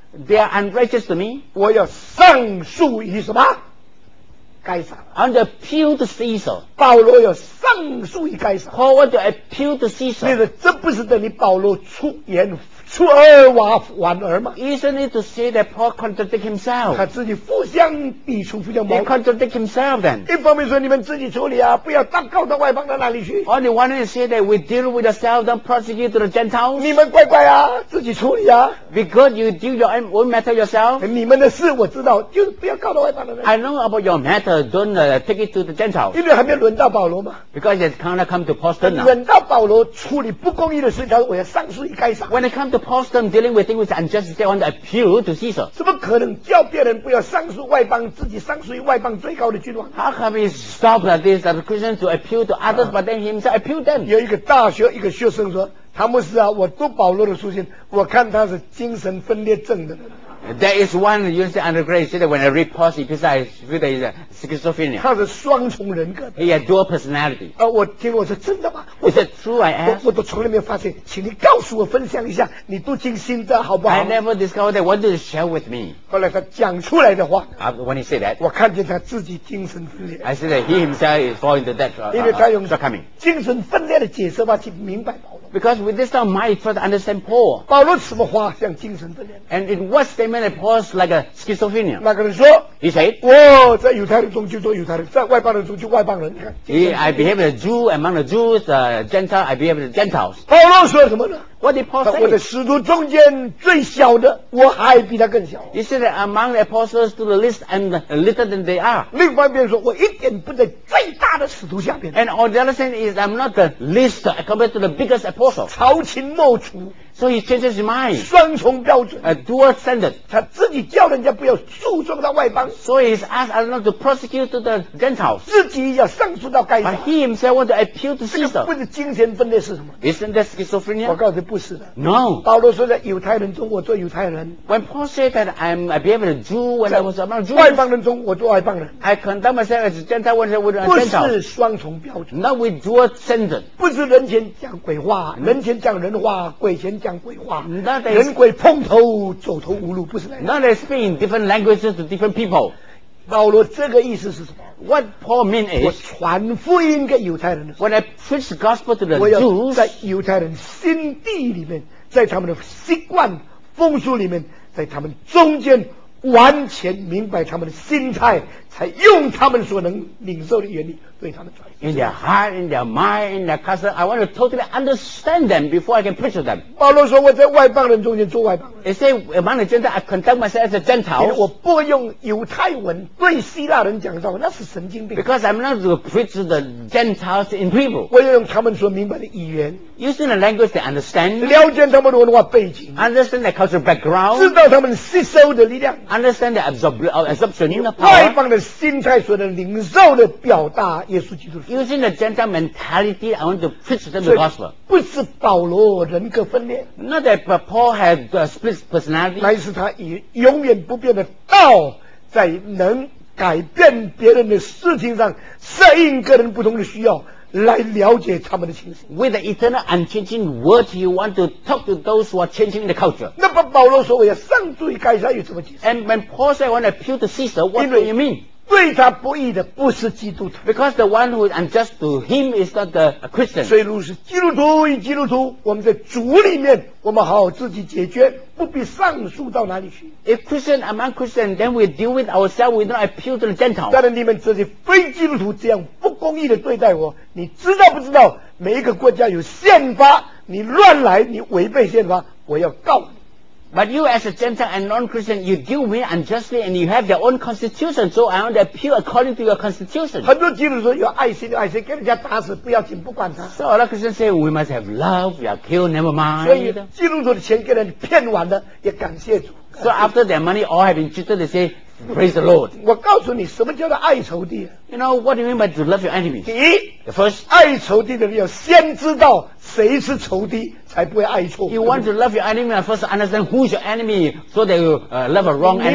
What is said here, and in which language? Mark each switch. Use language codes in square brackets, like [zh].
[en] They are unrighteous to me， [zh] 我要上诉于什么？该撒。 [en] And appeal to Caesar. [zh] 保罗要上诉于该撒。 [en] Paul want to appeal to Caesar. [zh] 那个这不是等于保罗出言出尔反尔吗？ [en] Isn't it to say that Paul contradict himself? [zh] 他自己互相抵触，互相矛盾。 [en] He contradict himself then. [zh] 一方面说你们自己处理啊，不要祷告到外邦的那里去。 [en] On the one hand, say that we deal with ourselves and prosecute to the Gentiles. [zh] 你们乖乖啊，自己处理啊。 [en] Because you deal your own matter yourself. [zh] 你们的事我知道，就是不要告到外邦的人。 [en] I know about your matter. Don't take it to the Gentiles. [zh] 因为还没轮到保罗嘛。 [en] Because it cannot come to Paul's turn. [zh] 轮到保罗处理不公义的事情，我要上诉于该撒。 [en] When it comes to Paul's turn dealing with things unjust, they want to appeal to Caesar. [zh] 怎么可能叫别人不要上诉外邦，自己上诉于外邦最高的君王？ [en] How come he stop like this? That Christians to appeal to others, but then himself appeal them? [zh] 有一个大学一个学生说。他们是啊，我读保罗的书信，我看他是精神分裂症的。 [en] There is one you say undergrad said that when I read Paul's epistle, I feel that he's a schizophrenic. [zh] 他是双重人格的。 [en] He has dual personality. [zh] 我听我说真的吗？ [en] Is it true? I asked. [zh] 我都从来没有发现，请你告诉我分享一下，你读经心得好不好 [en] ？I never discovered that. What did you share with me? [zh] 后来他讲出来的话。 [en] When he said that, [zh] 我看见他自己精神分裂。 [en] I said that he himself is falling into that. [zh] 因为他用精神分裂的解释吧，去明白保罗。 [en] Because with this time, my try to understand Paul. [zh] 保罗什么话像精神分裂 [en] ？And in what statement it was like a schizophrenia? [zh] 那个人说 [en] ，He said, [zh] 我在犹太人中就做犹太人，在外邦人中就外邦人。 [en] I behave as a Jew among the Jews, a Gentile. I behave as a Gentiles. [zh] 保罗说什么呢 [en] ？What did Paul say? [zh] 我的使徒中间最小的，我还比他更小。 [en] He said that among the apostles to the least and little than they are. [zh] 另外一边说，我一点不在最大的使徒下边。 [en] And on the other hand is I'm not the least compared to the biggest apostle. [zh] 朝秦暮楚 [en] so he changes his mind. [zh] 双重标准 [en] a dual standard. [zh] 他自己叫人家不要诉讼到外邦 [en] so he asked us not to prosecute to the Gentiles. [zh] 自己要上诉到该撒 [en] but he himself want to appeal to Caesar. [zh] 这个不是精神分裂是什么 [en] isn't that schizophrenia? [zh] 我告诉你不是的 [en] no. [zh] 保罗说在犹太人中我做犹太人 [en] when Paul said that I'm a behavior of a Jew when I was among Jews. [zh] 外邦人中我做外邦人 [en] I condemn myself as a Gentile when I was a Gentile. [zh] 不是双重标准 [en] not with dual standard. [zh] 不是人前讲鬼话人前讲人话，鬼前讲鬼话。 [en] Not、 [zh] 人鬼碰头，走投无路，不是那样。 [en] Not they speak in different languages to different people. [zh] 保罗这个意思是什么 [en] ？What Paul mean is [zh] 我传福音给犹太人的时候。 [en] When I preach the gospel to the Jews， [zh] 我要在犹太人心地里面，在他们的习惯风俗里面，在他们中间完全明白他们的心态，才用他们所能领受的原理。 [en] In their heart, in their mind, in their custom, I want to totally understand them before I can preach to them. [zh] 保罗说我在外邦人中间做外邦人。 [en] He said, among the Gentiles, I conduct myself as a Gentile. [zh] 我不用犹太文对希腊人讲道，那是神经病。 [en] Because I'm not to preach to the Gentiles in Hebrew. [zh] 我要用他们所明白的语言。 [en] Using the language they understand. [zh] 了解他们的文化背景。 [en] Understand their cultural background. [zh] 知道他们吸收的力量。 [en] Understand their absorption in the power. [zh] 外邦的心态所能领受的表达。 [en] Using the Gentile mentality, I want to preach them the gospel. [zh] 不是保罗人格分裂 [en] Not that Paul had the split personality. [zh] 乃是他以永远不变的道，在能改变别人的事情上，适应个人不同的需要，来了解他们的情形。 [en] With the eternal unchanging word, he want to talk to those who are changing the culture. [zh] 那么保罗说我要上诉于该撒有什么解释 [en] ？And when Paul said, "I want to appeal to Caesar," what do you mean? [zh] 对他不义的不是基督徒 [en] ，because the one who is unjust to him is not the Christian。 [zh] 所以，如果是基督徒与基督徒，我们在主里面，我们好好自己解决，不必上诉到哪里去。 [en] If Christian among Christian, then we deal with ourselves. We don't appeal to the Gentiles。 [zh] 但是你们这些非基督徒这样不公义的对待我，你知道不知道？每一个国家有宪法，你乱来，你违背宪法，我要告你。 [en] But you as a Gentile and non-Christian, you deal with me unjustly and you have your own constitution, so I want to appeal according to your constitution. [zh] 很多基督徒有爱心，爱心给人家打死，不要紧，不管他。 [en] So a lot of Christians say, we must have love, we are killed, never mind. [zh] 所以基督徒的钱给人骗完了，也感谢主。 [en] So after their money all have been cheated, they say, praise the Lord. [zh] 我告诉你什么叫做爱仇敌。 [en] You know, what do you mean by to love your enemies? [zh] 第一 [en] ,the first, [zh] 爱仇敌的人要先知道谁是仇敌。才不会爱错。 [en] You want to love your enemy, first understand who's your enemy, so that you love a wrong enemy.